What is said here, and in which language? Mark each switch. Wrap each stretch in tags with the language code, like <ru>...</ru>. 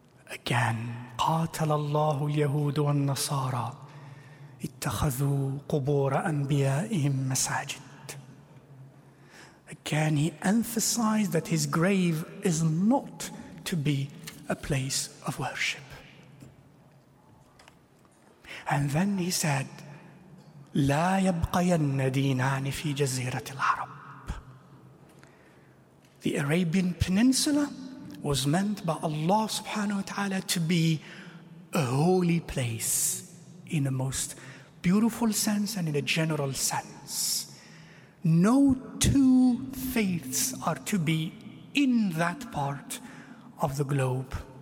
<ar>Again, قاتل الله اليهود والنصارى اتخذوا قبور أنبيائهم مساجد.</ar> <en>Again, he emphasized that his grave is not to be a place of worship. And then he said,</en> <ar>لا يبقين دينان في جزيرة العرب.</ar> <en>The Arabian Peninsula was meant by Allah subhanahu wa ta'ala to be a holy place in a most beautiful sense and in a general sense. No two faiths are to be in that part of the globe.</en>